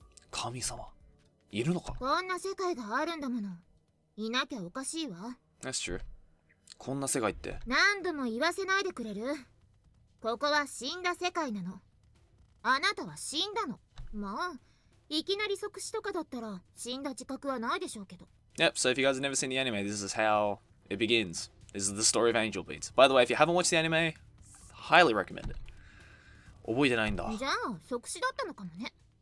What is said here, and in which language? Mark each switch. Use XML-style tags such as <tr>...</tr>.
<ja>神様、いるのか。こんな世界があるんだもの、いなきゃおかしいわ。</ja> <en>That's true。</en> <ja>こんな世界って。何度も言わせないでくれる。ここは死んだ世界なの。あなたは死んだの。まあ、いきなり即死とかだったら死んだ自覚はないでしょうけど。</ja> <en>Yep, so if you guys have never seen the anime, this is how it begins. This is the story of Angel Beats. By the way, if you haven't watched the anime, highly recommend it.</en> <ja>覚えてないんだ。じゃあ、即死だったのかもね。</ja>